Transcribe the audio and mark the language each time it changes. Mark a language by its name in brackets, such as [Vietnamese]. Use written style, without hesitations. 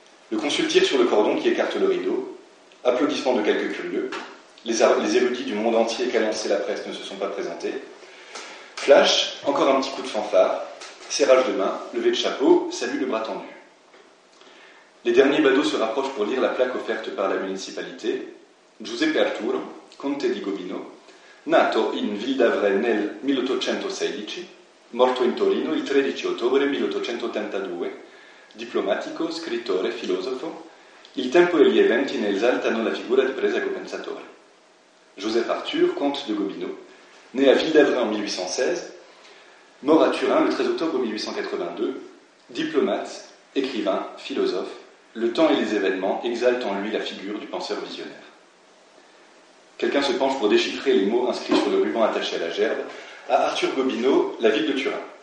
[French] Le consul tire sur le cordon qui écarte le rideau, applaudissements de quelques curieux, les érudits du monde entier qu'annonçait la presse ne se sont pas présentés. Flash, encore un petit coup de fanfare, serrage de main, levée de chapeau, salut le bras tendu. Les derniers badauds se rapprochent pour lire la plaque offerte par la municipalité. [Italian] Giuseppe Arturo, conte di Gobino, nato in Villavrè nel 1816, morto in Torino il 13 ottobre 1882, diplomatico, scrittore, filosofo, il tempo e gli eventi ne esaltano la figura di Presago Pensatore. [French] Joseph Arthur, comte de Gobineau, né à Villavrè en 1816, mort à Turin le 13 octobre 1882, diplomate, écrivain, philosophe, le temps et les événements exaltent en lui la figure du penseur visionnaire. Quelqu'un se penche pour déchiffrer les mots inscrits sur le ruban attaché à la gerbe, à Arthur Gobineau, la ville de Turin.